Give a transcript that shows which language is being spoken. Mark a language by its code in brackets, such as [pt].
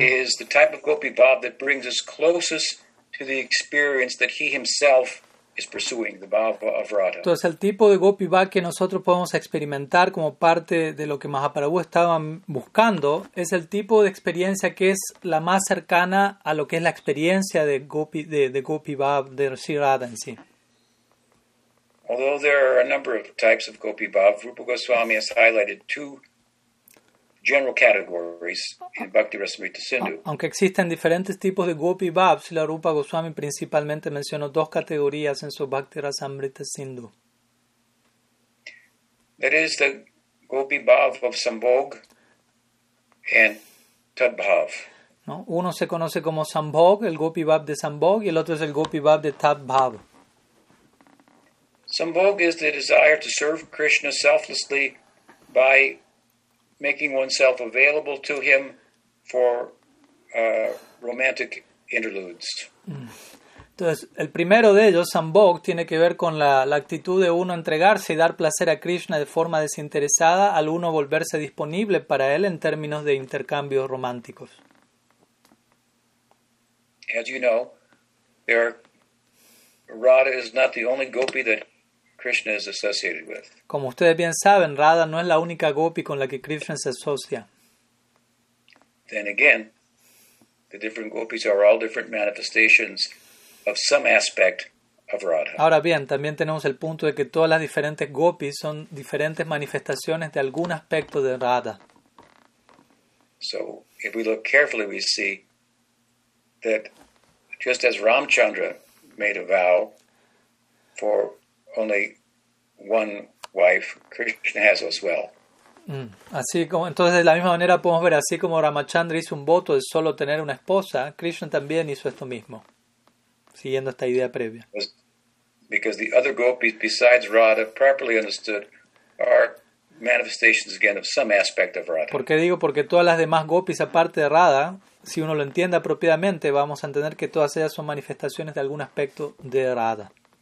[en] is the type of Gopi Bhav that brings us closest to the experience that he himself is pursuing, the Bhava of Radha. [es] Entonces, el tipo de Gopi Bhav que nosotros podemos experimentar como parte de lo que Mahaprabhu estaba buscando es el tipo de experiencia que es la más cercana a lo que es la experiencia de Gopi Bhav, de Sri Radha en sí. [en] Although there are a number of types of Gopi Bhav, Rupa Goswami has highlighted two general categories in Bhakti Rasamrita Sindhu. [es] Aunque existen diferentes tipos de Gopi Bhav, Srila Rupa Goswami principalmente mencionó dos categorías en su Bhakti Rasamrita Sindhu. [en] That is the Gopi Bhav of Sambhog and Tad Bhav. [es] ¿No? Uno se conoce como Sambhog, el Gopi Bhav de Sambhog, y el otro es el Gopi Bhav de Tad Bhav. [en] Sambhog is the desire to serve Krishna selflessly by making oneself available to him for romantic interludes. [es] Entonces, el primero de ellos, Sambhog, tiene que ver con la actitud de uno entregarse y dar placer a Krishna de forma desinteresada al uno volverse disponible para él en términos de intercambios románticos. [en] As you know, Radha is not the only gopi that Krishna is associated with. [es] Como ustedes bien saben, Radha no es la única gopi con la que Krishna se asocia. [en] Then again, the different gopis are all different manifestations of some aspect of Radha. [es] Ahora bien, también tenemos el punto de que todas las diferentes gopis son diferentes manifestaciones de algún aspecto de Radha. [en] So, if we look carefully, we see that just as Ramchandra made a vow for only one wife, Krishna has as well. [es] Así como, entonces de la misma manera podemos ver, así como Ramachandra hizo un voto de solo tener una esposa, Krishna también hizo esto mismo, siguiendo esta idea previa. [en] Because the other gopis besides Radha, properly understood, are manifestations again of some aspect of Radha. [es] ¿Por qué digo? Porque todas las demás gopis aparte de Radha, si uno lo entiende apropiadamente, vamos a entender que todas ellas son manifestaciones de algún aspecto de Radha.